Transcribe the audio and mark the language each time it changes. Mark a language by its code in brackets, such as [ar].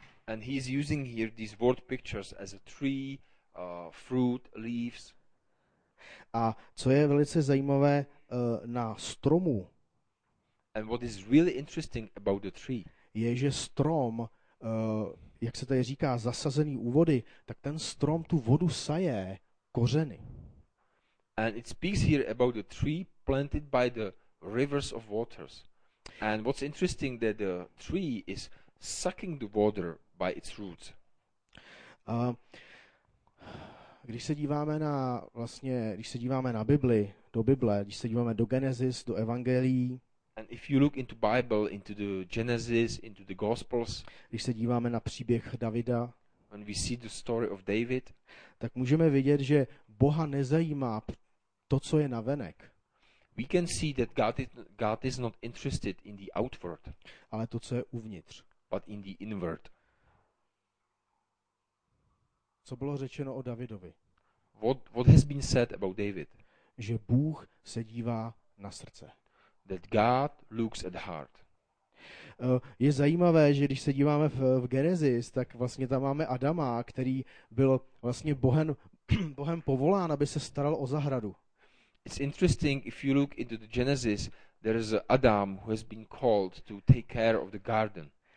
[en] And he is using here these word pictures as a tree, fruit, leaves. [cs] A co je velice zajímavé na stromu? [en] And what is really interesting about the tree? [cs] Je, že strom, jak se tady říká, zasazený u vody, tak ten strom tu vodu saje kořeny. [en] And it speaks here about the tree planted by the rivers of waters. And what's interesting that the tree is sucking the water by its roots. [cs] Když se díváme na vlastně, když se díváme na Bibli, do Bible, když se díváme do Genesis, do Evangelií. [en] And if you look into Bible, into the Genesis, into the Gospels. [cs] Když se díváme na příběh Davida. [en] When we see the story of David. [cs] Tak můžeme vidět, že Boha nezajímá to, co je navenek. [en] We can see that God is not interested in the outward. [cs] Ale to, co je uvnitř. [en] But in the inward. [cs] Co bylo řečeno o Davidovi? [en] What has been said about David? [cs] Že Bůh se dívá na srdce. [en] That God looks at the heart. [cs] Je zajímavé, že když se díváme v Genesis, tak vlastně tam máme Adama, který byl vlastně Bohem povolán, aby se staral o zahradu. [en] It's interesting if you look into the Genesis, there is Adam who has been called to take care of the garden.